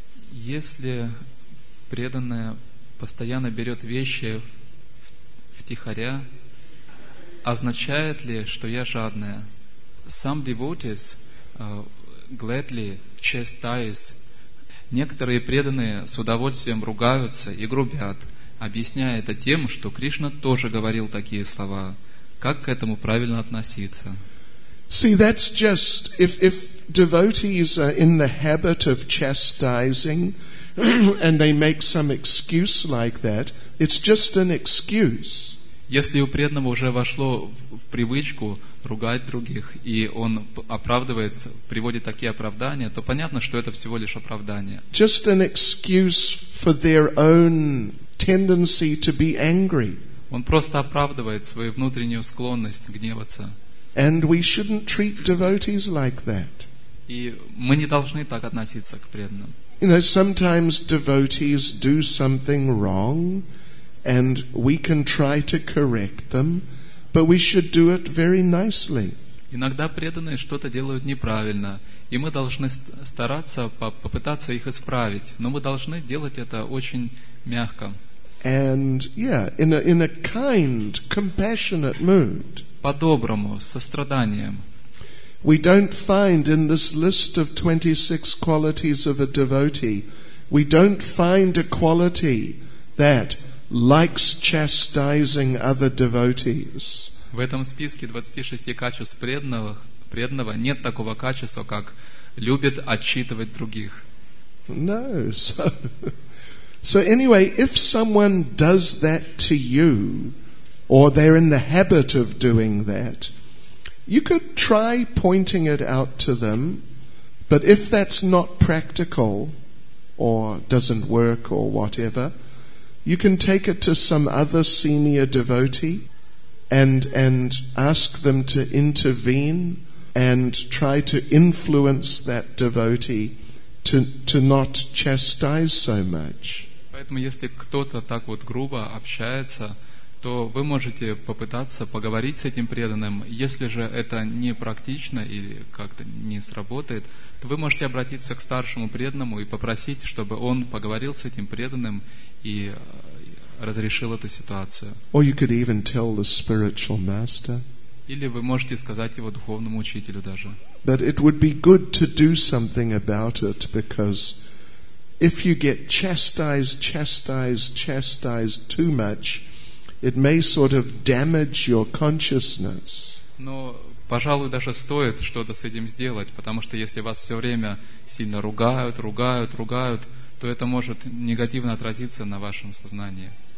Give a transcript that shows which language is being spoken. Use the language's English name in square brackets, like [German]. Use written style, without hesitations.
[Russian] Если преданная постоянно берет вещи втихаря, означает ли, что я жадная? [English] Some devotees gladly chastise. [Russian] Некоторые преданные с удовольствием ругаются и грубят, объясняя это тем, что Кришна тоже говорил такие слова. Как к этому правильно относиться? [English] See, that's just if devotees are in the habit of chastising and they make some excuse like that, it's just an excuse. [Russian] Если у преданного уже вошло в привычку ругать других, и он оправдывается, приводит такие оправдания, то понятно, что это всего лишь оправдание. [English] Just an excuse for their own tendency to be angry. [Russian] Он просто оправдывает свою внутреннюю склонность гневаться. [English] And we shouldn't treat devotees like that. [Russian] И мы не должны так относиться к преданным. [English] You know, sometimes devotees do something wrong, and we can try to correct them, but we should do it very nicely. [Russian] Иногда преданные что-то делают неправильно, и мы должны стараться попытаться их исправить, но мы должны делать это очень мягко. [English] And yeah, in a kind, compassionate mood. [Russian] По-доброму, с состраданием. [English] We don't find in this list of 26 qualities of a devotee, we don't find a quality that likes chastising other devotees. [Russian] В этом списке 26 качеств преданного нет такого качества, как любит отчитывать других. [English] No, so anyway, if someone does that to you, or they're in the habit of doing that, you could try pointing it out to them, but if that's not practical, or doesn't work or whatever, you can take it to some other senior devotee and ask them to intervene and try to influence that devotee to not chastise so much. [Russian] Поэтому если кто-то так вот грубо общается, то вы можете попытаться поговорить с этим преданным. Если же это не практично или как-то не сработает, то вы можете обратиться к старшему преданному и попросить, чтобы он поговорил с этим преданным и разрешил эту ситуацию. [English] Or you could even tell the spiritual master. [Russian] Или вы можете сказать его духовному учителю даже. [English] But it would be good to do something about it, because if you get chastised too much, it may sort of damage your consciousness. [Russian] Но, пожалуй, даже стоит что-то с этим сделать, потому что если вас все время сильно ругают, то это может негативно отразиться на вашем сознании.